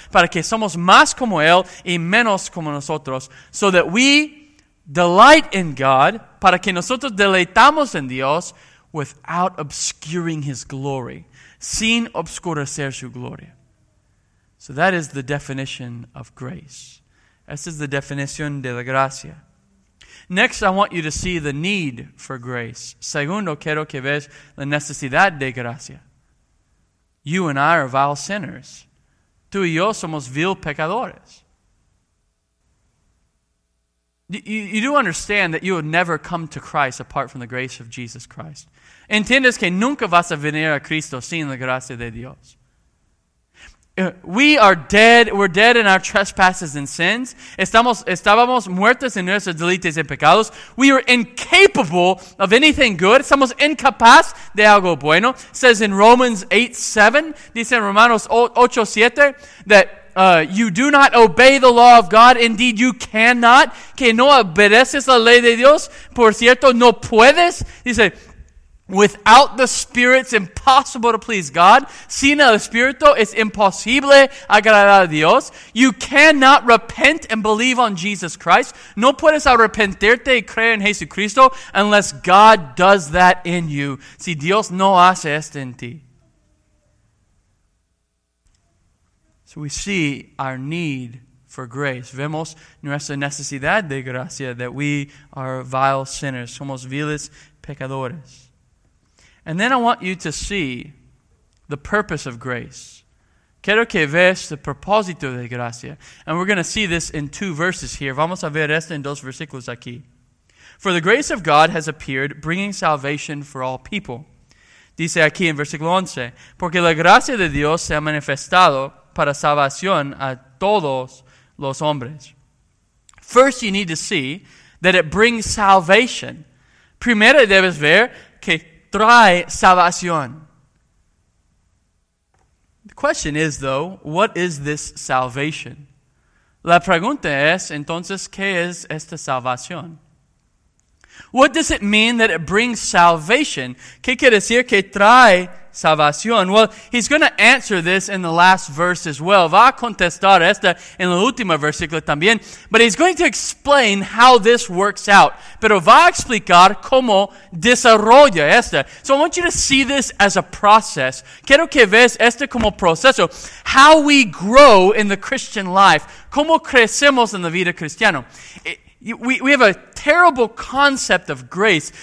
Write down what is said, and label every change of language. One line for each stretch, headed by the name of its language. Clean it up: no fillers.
Spanish: Para que somos más como él y menos como nosotros.
English: So that we delight in God.
Spanish: Para que nosotros deleitamos en Dios.
English: Without obscuring his glory.
Spanish: Sin obscurecer su gloria.
English: So that is the definition of grace.
Spanish: Esa es la definición de la gracia.
English: Next, I want you to see the need for grace.
Spanish: Segundo, quiero que veas la necesidad de gracia.
English: You and I are vile sinners.
Spanish: Tú y yo somos vil pecadores.
English: You do understand that you would never come to Christ apart from the grace of Jesus Christ.
Spanish: Entiendes que nunca vas a venir a Cristo sin la gracia de Dios.
English: We are dead. We're dead in our trespasses and sins.
Spanish: Estábamos muertos en nuestros delitos y pecados.
English: We are incapable of anything good.
Spanish: Somos incapaz de algo bueno.
English: It says in Romans 8:7,
Spanish: dice en Romanos 8:7,
English: that you do not obey the law of God. Indeed, you cannot.
Spanish: Que no obedeces la ley de Dios. Por cierto, no puedes. Dice,
English: Without the Spirit, it's impossible to please God.
Spanish: Sin el Espíritu, es imposible agradar a Dios.
English: You cannot repent and believe on Jesus Christ.
Spanish: No puedes arrepentirte y creer en Jesucristo
English: unless God does that in you.
Spanish: Si Dios no hace esto en ti.
English: So we see our need for grace.
Spanish: Vemos nuestra necesidad de gracia,
English: that we are vile sinners.
Spanish: Somos viles pecadores.
English: And then I want you to see the purpose of grace.
Spanish: Quiero que veas el propósito de gracia.
English: And we're going to see this in two verses here.
Spanish: Vamos a ver esto en dos versículos aquí.
English: For the grace of God has appeared, bringing salvation for all people.
Spanish: Dice aquí en versículo 11, porque la gracia de Dios se ha manifestado para salvación a todos los hombres.
English: First, you need to see that it brings salvation.
Spanish: Primero debes ver que trae salvación.
English: The question is, though, what is this salvation?
Spanish: La pregunta es, entonces, ¿qué es esta salvación?
English: What does it mean that it brings salvation?
Spanish: ¿Qué quiere decir que trae salvación?
English: Well, he's going to answer this in the last verse as well.
Spanish: Va a contestar esta en el último versículo también.
English: But he's going to explain how this works out.
Spanish: Pero va a explicar cómo desarrolla esta.
English: So I want you to see this as a process.
Spanish: Quiero que veas esta como proceso.
English: How we grow in the Christian life.
Spanish: Cómo crecemos en la vida cristiana.
English: We have a terrible concept of grace.